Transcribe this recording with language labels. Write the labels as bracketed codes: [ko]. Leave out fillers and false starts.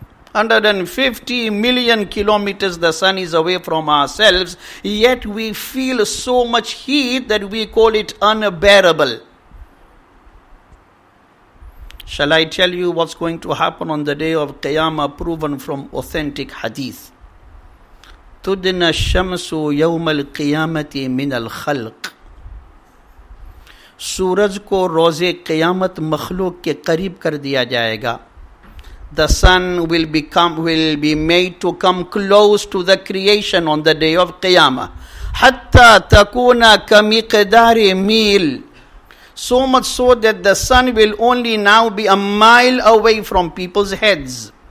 [en] 150 million kilometers the sun is away from ourselves. Yet we feel so much heat that we call it unbearable. Shall I tell you what's going to happen on the day of Qiyamah, proven from authentic hadith? [ar] تُدْنَ الشَّمْسُ يَوْمَ الْقِيَامَةِ مِنَ الْخَلْقِ [ur] سورج کو روزِ قیامت مخلوق کے قریب کر دیا جائے گا. [en] The sun will be made to come close to the creation on the day of Qiyamah. [ar] حَتَّى تَكُونَ كَمِقْدَارِ مِيل [en] So much so that the sun will only now be a mile away from people's heads.